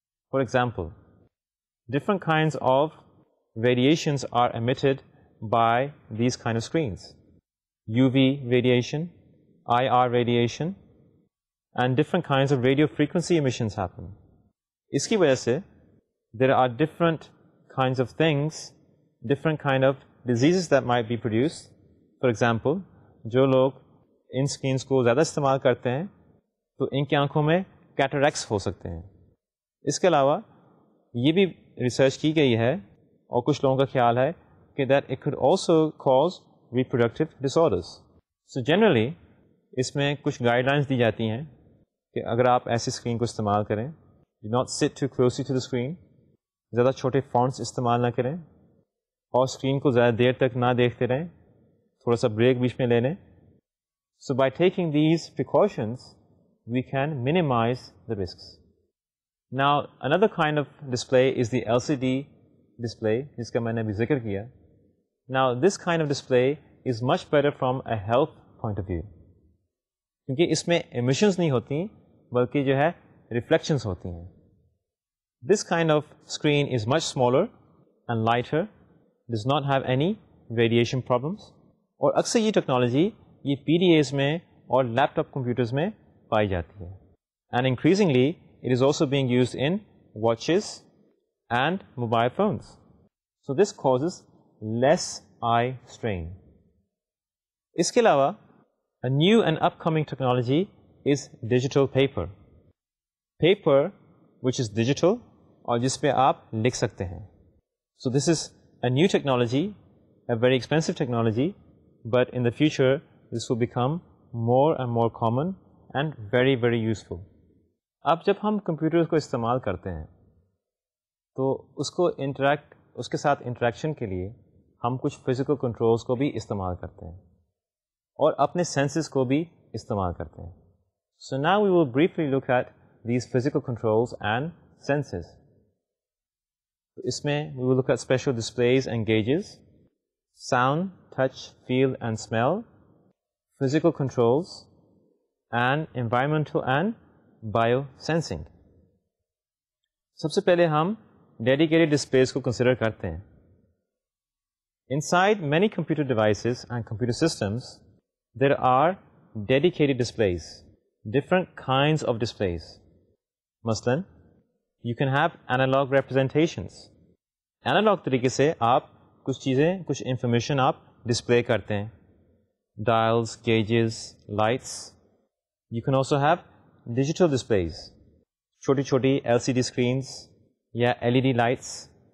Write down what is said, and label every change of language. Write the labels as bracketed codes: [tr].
[en] For example, different kinds of radiations are emitted by these kind of screens. UV radiation, IR radiation, and different kinds of radio frequency emissions happen. [ur] Iski wajah se, [en] there are different kinds of things, different kind of diseases that might be produced. [ur] For example, جو لوگ ان screens کو زیادہ استعمال کرتے ہیں تو ان کی آنکھوں میں کیٹریکٹس ہو سکتے ہیں. اس کے علاوہ یہ بھی ریسرچ کی گئی ہے اور کچھ لوگوں کا خیال ہے کہ [en] That it could also cause reproductive disorders. [ur] So generally اس میں کچھ گائیڈ لائنس دی جاتی ہیں کہ اگر آپ ایسی اسکرین کو استعمال کریں, [en] do not sit too closely to the screen, [ur] زیادہ چھوٹے فونٹس استعمال نہ کریں اور اسکرین کو زیادہ دیر تک نہ دیکھتے رہیں, تھوڑا سا بریک بیچ میں لے لیں. [en] So by taking these precautions we can minimise the risks. Now another kind of display is the L C D display [ur] جس کا میں نے ابھی ذکر کیا. [en] now this kind of display is much better from a health point of view, [ur] کیونکہ اس میں emissions نہیں ہوتی بلکہ جو ہے ریفلیکشنز ہوتی ہیں. [en] This kind of screen is much smaller and lighter, does not have any radiation problems. [ur] اور اکثر یہ ٹیکنالوجی یہ پی ڈی ایز میں اور لیپ ٹاپ کمپیوٹرز میں پائی جاتی ہے [en] And increasingly it is also being used in watches and mobile phones. So this causes less eye strain. [ur] اس کے علاوہ [en] A new and upcoming technology is digital paper. Paper which is digital [ur] اور جس پہ آپ لکھ سکتے ہیں. [en] So this is a new technology, a very expensive technology, but in the future this will become more and more common and very very useful. [ur] اب جب ہم کمپیوٹر کو استعمال کرتے ہیں تو اس کے ساتھ انٹریکشن کے لیے ہم کچھ فزیکل کنٹرولز کو بھی استعمال کرتے ہیں اور اپنے سینسز کو بھی استعمال کرتے ہیں. [en] So now we will briefly look at these physical controls and sensors. اس میں we will look at special displays and gauges, sound, touch, feel and smell, physical controls and environmental and bio sensing. [ur] سب سے پہلے ہم dedicated displays کو consider کرتے ہیں. [en] Inside many computer devices and computer systems, there are dedicated displays, different kinds of displays. مثلاً, you can have analog representations. [ur] Analog طریقے سے آپ کچھ چیزیں, کچھ information آپ display کرتے ہیں. [en] Dials, gauges, lights. You can also have digital displays. [ur] چھوٹی چھوٹی LCD screens یا LED lights.